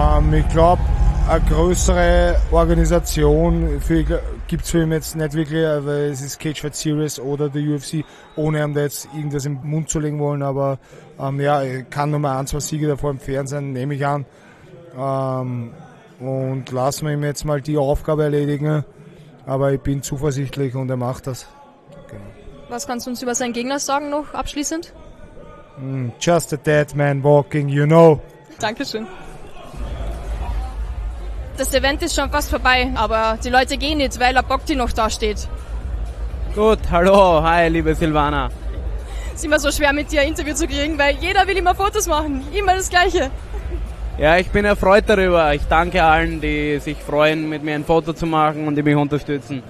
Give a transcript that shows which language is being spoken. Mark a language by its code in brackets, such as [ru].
[de] Ich glaube, eine größere Organisation gibt es für ihn jetzt nicht wirklich, weil es ist Cage Fight Series oder die UFC, ohne ihm da jetzt irgendwas im Mund zu legen wollen, aber ja, kann nur mal ein, zwei Siege davor im Fernsehen, nehme ich an. Und lassen wir ihm jetzt mal die Aufgabe erledigen, aber ich bin zuversichtlich und er macht das. Genau. Was kannst du uns über seinen Gegner sagen noch abschließend? [en] Just a dead man walking, you know. [de] Dankeschön. Das Event ist schon fast vorbei, aber die Leute gehen nicht, weil der Bogdan noch da steht. Gut, hallo, hi, liebe Silvana. Es ist immer so schwer, mit dir ein Interview zu kriegen, weil jeder will immer Fotos machen, immer das Gleiche. Ja, ich bin erfreut darüber. Ich danke allen, die sich freuen, mit mir ein Foto zu machen und die mich unterstützen.